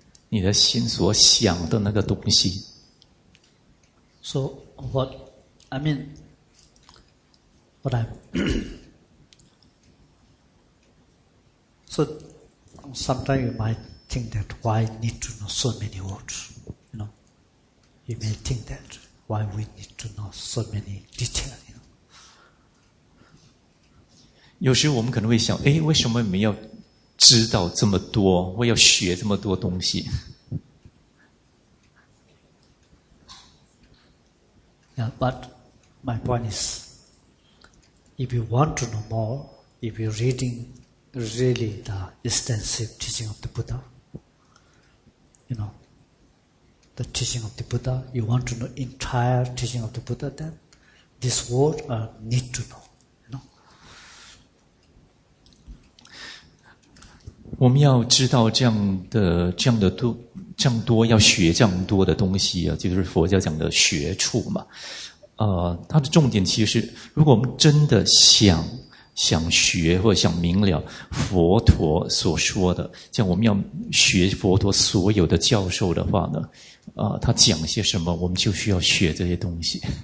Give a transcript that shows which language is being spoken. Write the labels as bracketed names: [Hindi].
[Chinese] 你的心所想的那个东西。 [English] So what I mean, what I so sometimes you might think that why need to know so many words, you know? You may think that why we need to know so many details, you know? [Chinese] 有时我们可能会想，哎，为什么我们要知道这么多？我要学这么多东西？ [English] Yeah, but my point is, if you want to know more, if you're reading really the extensive teaching of the Buddha, you know, the teaching of the Buddha, you want to know entire teaching of the Buddha, then this word are need to know, you know. [Chinese] 我们要知道这样多要学这样多的东西啊，就是佛教讲的学处嘛。它的重点其实是，如果我们真的想学或者想明了佛陀所说的，像我们要学佛陀所有的教授的话呢，他讲些什么，我们就需要学这些东西。